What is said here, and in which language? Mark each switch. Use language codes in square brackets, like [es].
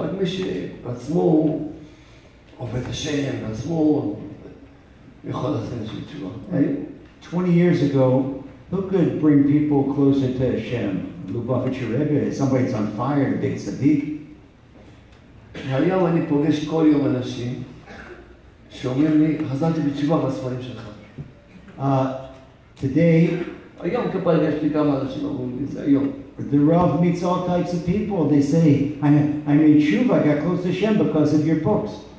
[he] רק מי שבעצמו עובד השם, בעצמו יכול להחזיר בתשובה. [en] 20 years ago, who could bring people closer to Hashem? Lubavitcher Rebbe, somebody that's on fire, big tzaddik. [he] היום אני פוגש כל יום אנשים שאומרים לי, חזרתי בתשובה בספרים שלך. [en] Today, [he] היום פגשתי כמה אנשים אומרים לי, זה היום. [en] The Rav meets all types of people. They say, I made tshuva, I got close to Hashem because of your books.